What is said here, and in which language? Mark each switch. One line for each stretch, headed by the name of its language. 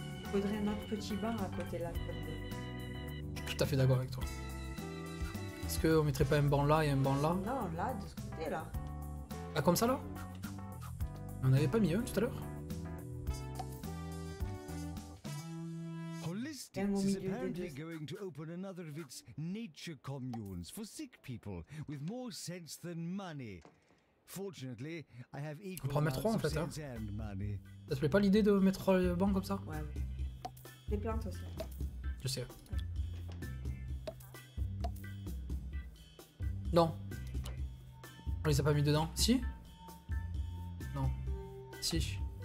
French: Faudrait un autre petit bar à côté là. Comme... Je suis tout à fait d'accord avec toi. Est-ce qu'on mettrait pas un banc là et un banc là? Non, là, de ce côté là. Ah, comme ça là? On n'avait pas mis un tout à l'heure?
English: This is apparently going to open another of its nature communes for sick people with more sense than money. Fortunately, I have equal amounts of sense
French: fait, hein.
English: And money.
French: Ça te plaît pas l'idée de mettre trois bancs comme ça? Ouais, ouais. Des plantes aussi. Je sais. Non. On les a pas mis dedans. Si? Non. Si.